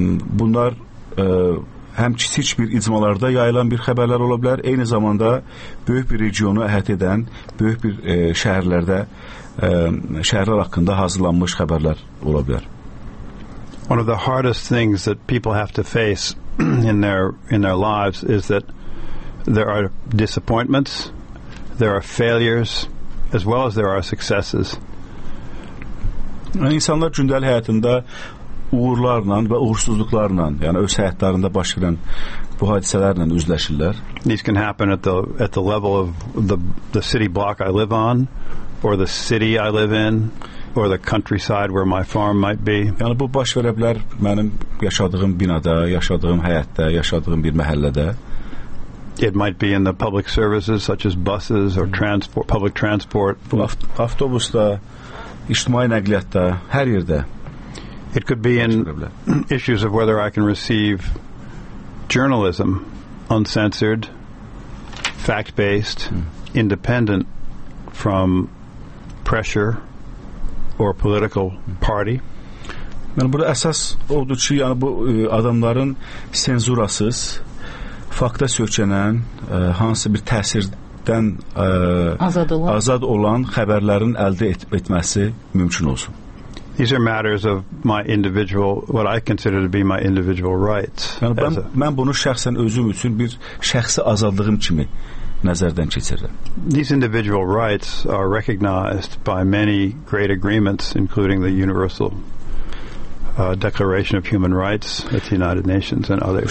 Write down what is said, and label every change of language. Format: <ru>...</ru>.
<az>Bunlar həm kiçik bir icmalarda yayılan bir xəbərlər ola bilər, eyni zamanda böyük bir regionu əhatə edən böyük bir şəhərlərdə şəhərlər haqqında hazırlanmış xəbərlər ola bilər.</az> <en>One of the hardest things that people have to face in their lives is that there are disappointments, there are failures, as well as there are successes.</en> <az>İnsanlar gündəlik həyatında uğurlarla və uğursuzluqlarla, yəni öz həyatlarında baş verən bu hadisələrlə üzləşirlər.</az> <en>This can happen at the level of the city block I live on, or the city I live in, or the countryside where my farm might be.</en> <az>Yəni bu baş verə bilər mənim yaşadığım binada, yaşadığım həyatda, yaşadığım bir məhəllədə.</az> <en>It might be in the public services such as buses or transport, public transport.</en> <az>Avtobusda, İctimai nəqliyyatda, hər yerdə.</az> <en>It could be in issues of whether I can receive journalism, uncensored, fact-based, independent from pressure or political party.</en> <az>Yəni, burada əsas odur ki, yəni bu adamların senzurasız, fakta söykənən, hansı bir təsir dən azad olan xəbərlərin əldə etməsi mümkün olsun.</az> <en>These are matters of my individual, what I consider to be my individual rights.</en> <az>Yəni, mən bunu şəxsən özüm üçün bir şəxsi azadlığım kimi nəzərdən keçirirəm.</az> <en>These individual rights are recognized by many great agreements, including the Universal Declaration of Human Rights at the United Nations and others.</en>